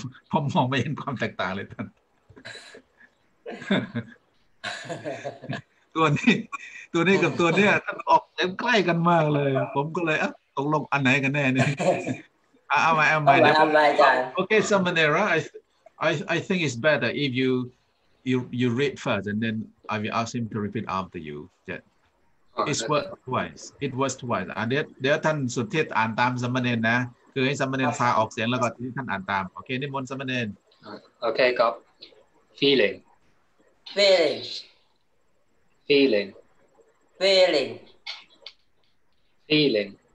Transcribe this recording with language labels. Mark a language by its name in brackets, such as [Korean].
[Thai] ผมมองไม่เห็นความแตกต่างเลยท่าน ตัวนี้กับตัวเนี้ยท่านออกเต็มใกล้กันมากเลย ผมก็เลยอ่ะตกลงอันไหนกันแน่เนี่ย เอาใหม่นะ ครับ [English] โอเคซัมเมเนอร์I think it's better if you read first and then I will ask him to repeat after you. Yeah. Oh, it's worth twice. It was twice. And then [Thai] ท่านสุทิศอ่านตามสมณเณรนะคือให้สมณเณรฟังออกเสียงแล้วก็ที่ท่านอ่านตามโอเคนิมนต์สมณเณร [English] โอเคครับ failing, falling.